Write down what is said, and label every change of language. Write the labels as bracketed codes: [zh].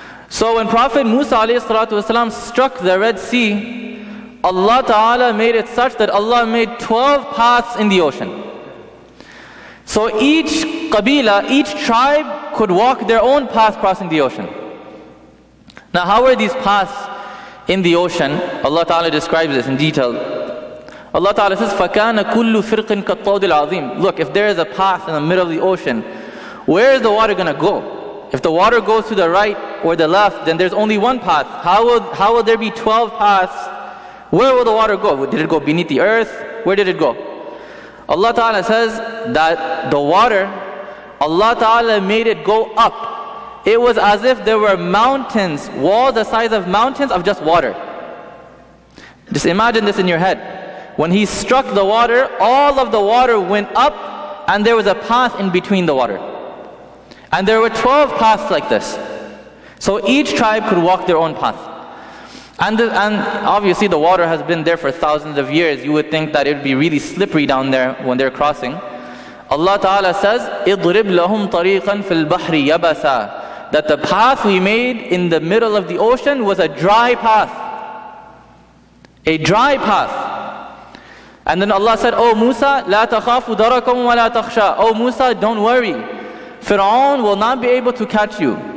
[en] So when Prophet Musa alayhi salatu wasalam struck the Red Sea, Allah Ta'ala made it such that Allah made 12 paths in the ocean. So each qabila, each tribe could walk their own path crossing the ocean. Now how were these paths in the ocean? Allah Ta'ala describes this in detail. Allah Ta'ala says, [ar] فَكَانَ كُلُّ فِرْقٍ كَالطَّوْدِ الْعَظِيمِ. [en] Look, if there is a path in the middle of the ocean, where is the water going to go? If the water goes to the right or the left, then there's only one path. How will there be 12 paths? Where will the water go? Did it go beneath the earth? Where did it go? Allah Ta'ala says that the water, Allah Ta'ala made it go up. It was as if there were mountains, walls the size of mountains of just water. Just imagine this in your head. When He struck the water, all of the water went up and there was a path in between the water. And there were 12 paths like this. So each tribe could walk their own path. And obviously the water has been there for thousands of years. You would think that it would be really slippery down there when they're crossing. Allah Ta'ala says, [ar] اِضْرِبْ لَهُمْ طَرِيقًا فِي الْبَحْرِ يَبَسَى. [en] That the path we made in the middle of the ocean was a dry path. A dry path. And then Allah said, Oh Musa, [ar] لَا تَخَافُ دَرَكُمْ وَلَا تَخْشَى. [en] Oh Musa, don't worry. Fir'aun will not be able to catch you.